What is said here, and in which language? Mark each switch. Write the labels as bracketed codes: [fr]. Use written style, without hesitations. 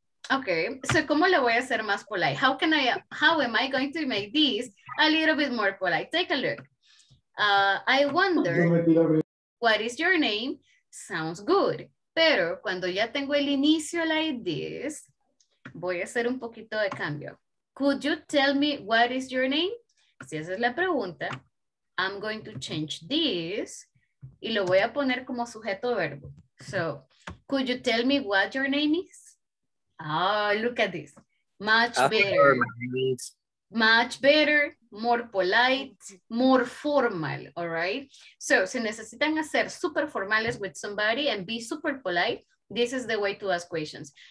[es] Okay, so ¿cómo le voy a hacer más polite? [en] How am I going to make this a little bit more polite? Take a look. I wonder, what is your name? Sounds good. [es] Pero cuando ya tengo el inicio [en] like this, [es] voy a hacer un poquito de cambio. [en] Could you tell me what is your name? [es] Si esa es la pregunta, [en] I'm going to change this. [es] Y lo voy a poner como sujeto verbo. [en] So, could you tell me what your name is? Oh, look at this. Much better. Much better, more polite, more formal, all right? So, [es] si necesitan hacer super formales [en] with somebody and be super polite, this is the way to ask questions.